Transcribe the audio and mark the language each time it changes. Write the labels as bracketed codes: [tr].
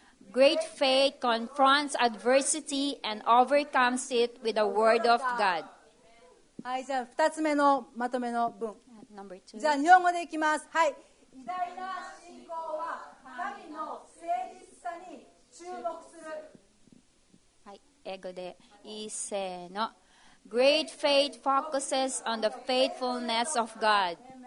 [en] Great faith confronts adversity and overcomes it with the word of God. [ja] はい、じゃあ2つ目のまとめの文。 [en] Number two. [ja] じゃあ日本語でいきます。はい。偉大な信仰は神の誠実さに注目する。はい、英語で。せーの。 [en] Great faith focuses on the faithfulness of God.